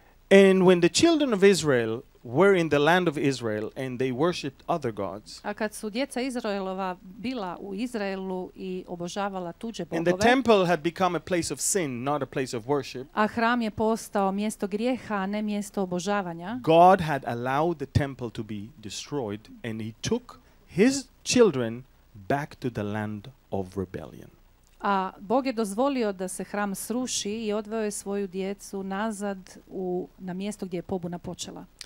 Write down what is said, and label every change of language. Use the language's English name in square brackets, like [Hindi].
[English] And when the children of Israel were in the land of Israel and they worshipped other gods. [Croatian] A kad su djeca Izraelova bila u Izraelu i obožavala tuđe bogove. [English] And the temple had become a place of sin, not a place of worship. [Croatian] A hram je postao mjesto grijeha, a ne mjesto obožavanja. [English] God had allowed the temple to be destroyed and he took his children back to the land of rebellion. [Croatian] A Bog je dozvolio da se hram sruši i odveo je svoju djecu nazad na mjesto gdje je pobuna počela.